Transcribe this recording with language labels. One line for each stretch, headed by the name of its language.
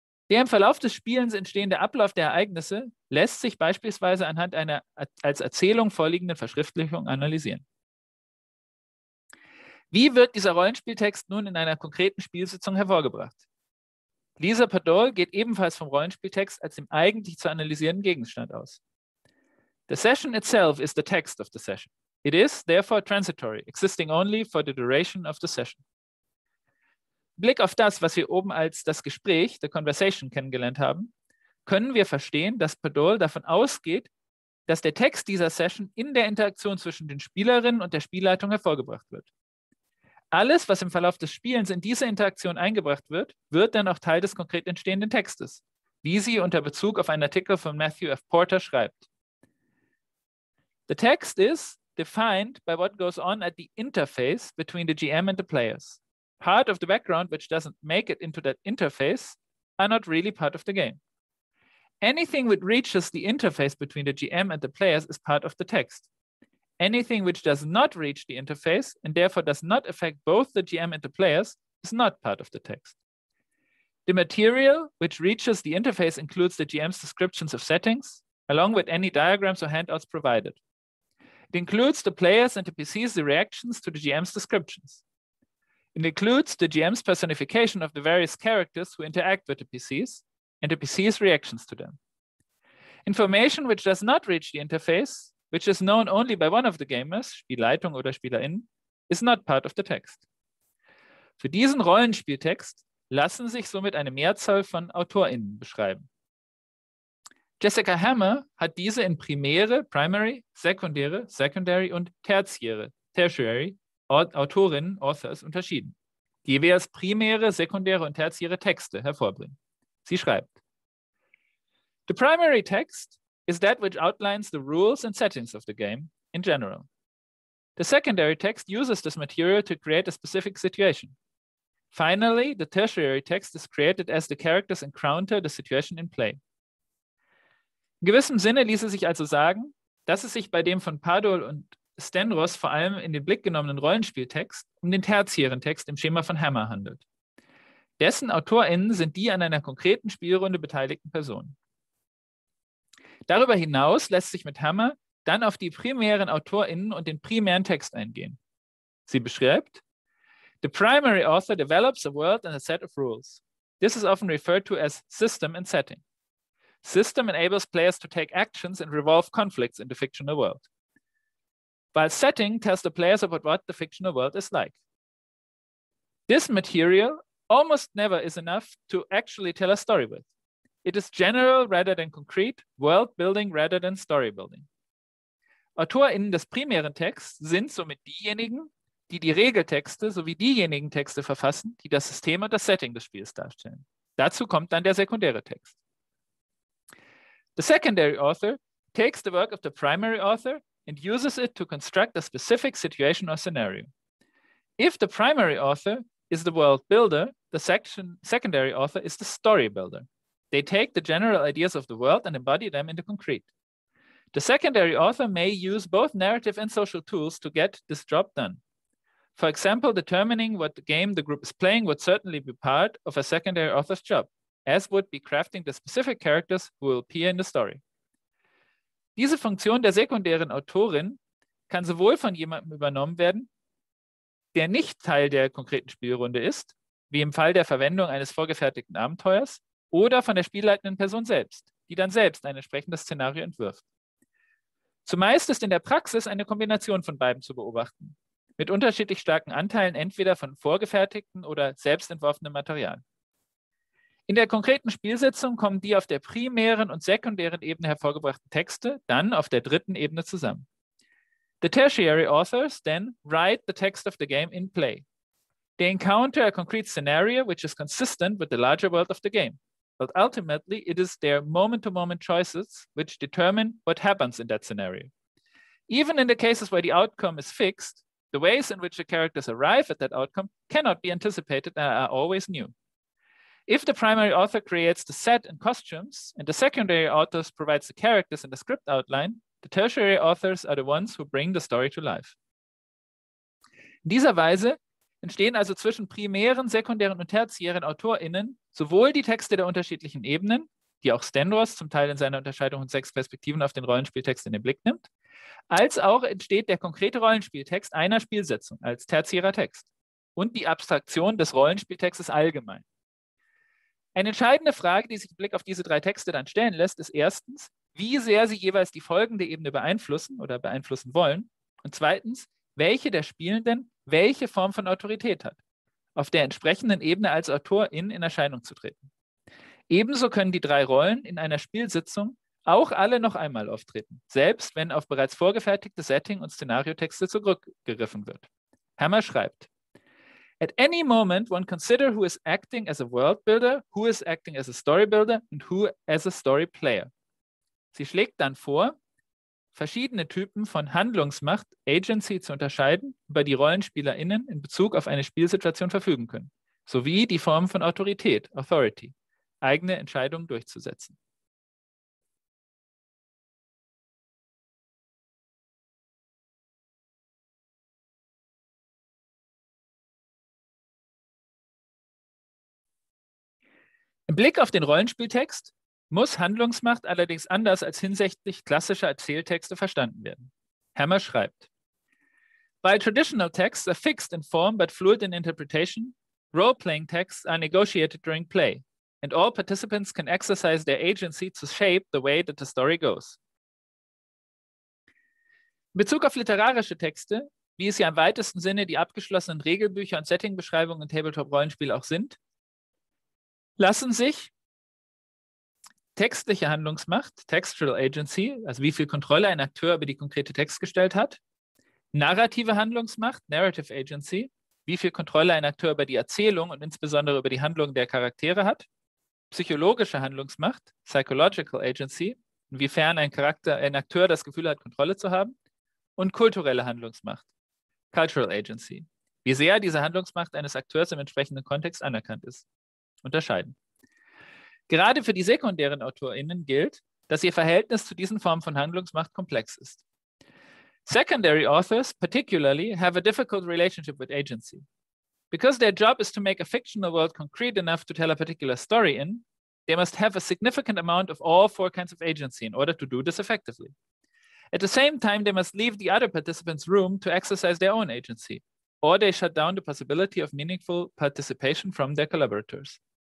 German: Der im Verlauf des Spielens entstehende Ablauf der Ereignisse lässt sich beispielsweise anhand einer als Erzählung vorliegenden Verschriftlichung analysieren. Wie wird dieser Rollenspieltext nun in einer konkreten Spielsitzung hervorgebracht? Lisa Padol geht ebenfalls vom Rollenspieltext als dem eigentlich zu analysierenden Gegenstand aus.
English: The session itself is the text of the session. It is, therefore, transitory, existing only for the duration of the session.
German: Blick auf das, was wir oben als das Gespräch,
English: the conversation,
German: kennengelernt haben, können wir verstehen, dass Padol davon ausgeht, dass der Text dieser Session in der Interaktion zwischen den Spielerinnen und der Spielleitung hervorgebracht wird. Alles, was im Verlauf des Spielens in diese Interaktion eingebracht wird, wird dann auch Teil des konkret entstehenden Textes, wie sie unter Bezug auf einen Artikel von Matthew F. Porter schreibt.
English: The text is defined by what goes on at the interface between the GM and the players. Part of the background which doesn't make it into that interface are not really part of the game. Anything which reaches the interface between the GM and the players is part of the text. Anything which does not reach the interface and therefore does not affect both the GM and the players is not part of the text. The material which reaches the interface includes the GM's descriptions of settings, along with any diagrams or handouts provided. It includes the players' and the PCs' reactions to the GM's descriptions. It includes the GM's personification of the various characters who interact with the PCs and the PCs' reactions to them. Information which does not reach the interface, which is known only by one of the gamers,
German: Spielleitung oder SpielerInnen,
English: is not part of the text.
German: Für diesen Rollenspieltext lassen sich somit eine Mehrzahl von AutorInnen beschreiben. Jessica Hammer hat diese in primäre, primary, sekundäre, secondary und tertiary AutorInnen, Authors unterschieden, die jeweils primäre, sekundäre und tertiäre Texte hervorbringen. Sie schreibt:
English: The primary text is that which outlines the rules and settings of the game in general. The secondary text uses this material to create a specific situation. Finally, the tertiary text is created as the characters encounter the situation in play.
German: In gewissem Sinne ließe sich also sagen, dass es sich bei dem von Padol und Stenros vor allem in den Blick genommenen Rollenspieltext um den tertiären Text im Schema von Hammer handelt. Dessen AutorInnen sind die an einer konkreten Spielrunde beteiligten Personen. Darüber hinaus lässt sich mit Hammer dann auf die primären AutorInnen und den primären Text eingehen. Sie beschreibt:
English: The primary author develops a world and a set of rules. This is often referred to as system and setting. System enables players to take actions and revolve conflicts in the fictional world. While setting tells the players about what the fictional world is like. This material almost never is enough to actually tell a story with. It is general rather than concrete, world building rather than story building.
German: AutorInnen des primären Texts sind somit diejenigen, die die Regeltexte sowie diejenigen Texte verfassen, die das System und das Setting des Spiels darstellen. Dazu kommt dann der sekundäre Text.
English: The secondary author takes the work of the primary author and uses it to construct a specific situation or scenario. If the primary author is the world builder, the secondary author is the story builder. They take the general ideas of the world and embody them into concrete. The secondary author may use both narrative and social tools to get this job done. For example, determining what game the group is playing would certainly be part of a secondary author's job, as would be crafting the specific characters who will appear in the story.
German: Diese Funktion der sekundären Autorin kann sowohl von jemandem übernommen werden, der nicht Teil der konkreten Spielrunde ist, wie im Fall der Verwendung eines vorgefertigten Abenteuers, oder von der spielleitenden Person selbst, die dann selbst ein entsprechendes Szenario entwirft. Zumeist ist in der Praxis eine Kombination von beiden zu beobachten, mit unterschiedlich starken Anteilen entweder von vorgefertigten oder selbst entworfenem Material. In der konkreten Spielsitzung kommen die auf der primären und sekundären Ebene hervorgebrachten Texte dann auf der dritten Ebene zusammen.
English: The tertiary authors then write the text of the game in play. They encounter a concrete scenario which is consistent with the larger world of the game. But ultimately, it is their moment-to-moment choices which determine what happens in that scenario. Even in the cases where the outcome is fixed, the ways in which the characters arrive at that outcome cannot be anticipated and are always new. If the primary author creates the set and costumes, and the secondary author provides the characters and the script outline, the tertiary authors are the ones who bring the story to life.
German: In dieser Weise entstehen also zwischen primären, sekundären und tertiären AutorInnen sowohl die Texte der unterschiedlichen Ebenen, die auch Stendros zum Teil in seiner Unterscheidung von sechs Perspektiven auf den Rollenspieltext in den Blick nimmt, als auch entsteht der konkrete Rollenspieltext einer Spielsetzung als tertiärer Text und die Abstraktion des Rollenspieltextes allgemein. Eine entscheidende Frage, die sich im Blick auf diese drei Texte dann stellen lässt, ist erstens, wie sehr sie jeweils die folgende Ebene beeinflussen oder beeinflussen wollen und zweitens, welche der Spielenden welche Form von Autorität hat, auf der entsprechenden Ebene als AutorIn in Erscheinung zu treten. Ebenso können die drei Rollen in einer Spielsitzung auch alle noch einmal auftreten, selbst wenn auf bereits vorgefertigte Setting- und Szenariotexte zurückgegriffen wird. Hammer schreibt:
English: At any moment one consider who is acting as a world builder, who is acting as a story builder and who as a story player.
German: Sie schlägt dann vor, verschiedene Typen von Handlungsmacht, Agency zu unterscheiden, über die RollenspielerInnen in Bezug auf eine Spielsituation verfügen können, sowie die Form von Autorität, Authority, eigene Entscheidungen durchzusetzen. Im Blick auf den Rollenspieltext muss Handlungsmacht allerdings anders als hinsichtlich klassischer Erzähltexte verstanden werden. Hammer schreibt:
English: While traditional texts are fixed in form but fluid in interpretation, role-playing texts are negotiated during play, and all participants can exercise their agency to shape the way that the story goes.
German: In Bezug auf literarische Texte, wie es ja im weitesten Sinne die abgeschlossenen Regelbücher und Settingbeschreibungen in Tabletop-Rollenspiel auch sind, lassen sich textliche Handlungsmacht,
English: textual agency,
German: also wie viel Kontrolle ein Akteur über die konkrete Text gestellt hat, narrative Handlungsmacht,
English: narrative agency,
German: wie viel Kontrolle ein Akteur über die Erzählung und insbesondere über die Handlung der Charaktere hat, psychologische Handlungsmacht,
English: psychological agency,
German: inwiefern ein Akteur das Gefühl hat, Kontrolle zu haben, und kulturelle Handlungsmacht,
English: cultural agency,
German: wie sehr diese Handlungsmacht eines Akteurs im entsprechenden Kontext anerkannt ist, unterscheiden. Gerade für die sekundären AutorInnen gilt, dass ihr Verhältnis zu diesen Formen von Handlungsmacht komplex ist.
English: Secondary authors particularly have a difficult relationship with agency. Because their job is to make a fictional world concrete enough to tell a particular story in, they must have a significant amount of all four kinds of agency in order to do this effectively. At the same time, they must leave the other participants room to exercise their own agency, or they shut down the possibility of meaningful participation from their collaborators.